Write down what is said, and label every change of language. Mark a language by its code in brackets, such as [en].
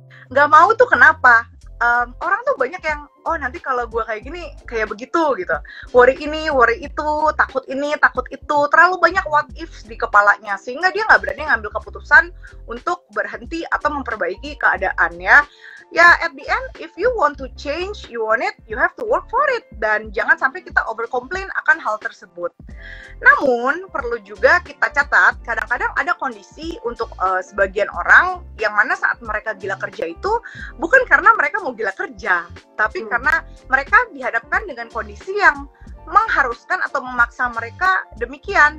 [id] Nggak mau tuh kenapa? Orang tuh banyak yang, oh nanti kalau gue kayak gini, kayak begitu gitu. Worry ini, worry itu, takut ini, takut itu. Terlalu banyak [en] what ifs [id] di kepalanya. Sehingga dia nggak berani ngambil keputusan untuk berhenti atau memperbaiki keadaannya. [en] ya at the end, if you want to change, you want it, you have to work for it. [id] Dan jangan sampai kita overcomplain akan hal tersebut. Namun, perlu juga kita catat, kadang-kadang ada kondisi untuk sebagian orang yang mana saat mereka gila kerja itu bukan karena mereka mau gila kerja, tapi karena mereka dihadapkan dengan kondisi yang mengharuskan atau memaksa mereka demikian.